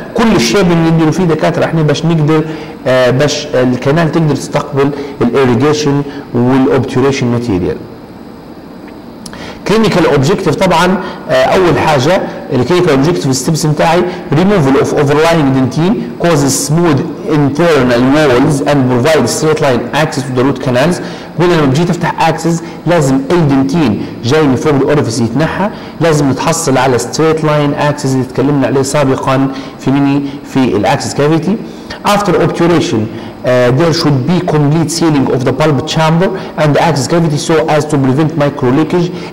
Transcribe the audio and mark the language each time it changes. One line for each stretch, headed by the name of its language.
Arabic: كل الشيء اللي نديره فيه دكاتره احنا باش نقدر باش الكنال تقدر تستقبل الاريجيشن والاوبتوريشن ماتيريال. كلينيكال اوبجيكتيف، طبعا اول حاجه الكلينيكال اوبجيكتيف ستيبس بتاعي ريموفال اوف اوفرلاينج دنتين كوز سمود
English: internal walls and provide straight line access to the root canals.
Arabic: هنا لما بجي تفتح access لازم اي دنتين جاي من فوق الاورفيس يتنحى، لازم تحصل على straight line access اللي تكلمنا عليه سابقا في ميني في الاكسس كافيتي.
English: After obturation there should be complete sealing of the pulp chamber and the access cavity so as to prevent micro leakage.